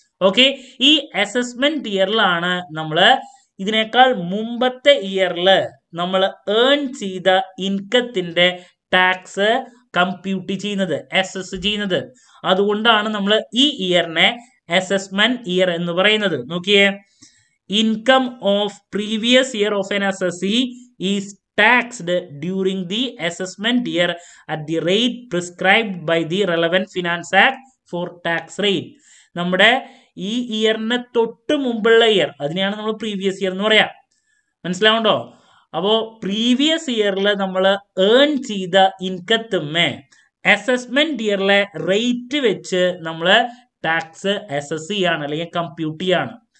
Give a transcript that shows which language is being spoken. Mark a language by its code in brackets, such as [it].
[ml] Okay, ഈ assessment ഇയറിലാണ് നമ്മൾ ഇതിനേക്കാൾ മുമ്പത്തെ ഇയറിൽ നമ്മൾ ഏൺ ചെയ്ത ഇൻകത്തിന്റെ ടാക്സ് കമ്പ്യൂട്ട് ചെയ്യുന്നത്, അസസ് ചെയ്യുന്നത്. അതുകൊണ്ടാണ് നമ്മൾ ഈ ഇയറിനെ അസസ്മെന്റ് ഇയർ എന്ന് പറയുന്നത്. നോക്കിയേ, [en] income of previous year of an assessee is taxed during the assessment year at the rate prescribed by the relevant finance act for tax rate. [ml] നമ്മുടെ ഈ ഇയറിന് തൊട്ട് മുമ്പുള്ള ഇയർ, അതിനെയാണ് നമ്മൾ പ്രീവിയസ് ഇയർ എന്ന് പറയാം. മനസ്സിലാവുണ്ടോ? അപ്പോ പ്രീവിയസ് ഇയറിൽ നമ്മൾ ഏൺ ചെയ്ത ഇൻകത്തുമേ അസസ്മെന്റ് ഇയറിലെ റേറ്റ് വെച്ച് നമ്മൾ ടാക്സ് അസസ് ചെയ്യാണ് അല്ലെങ്കിൽ കമ്പ്യൂട്ട് ചെയ്യാണ്.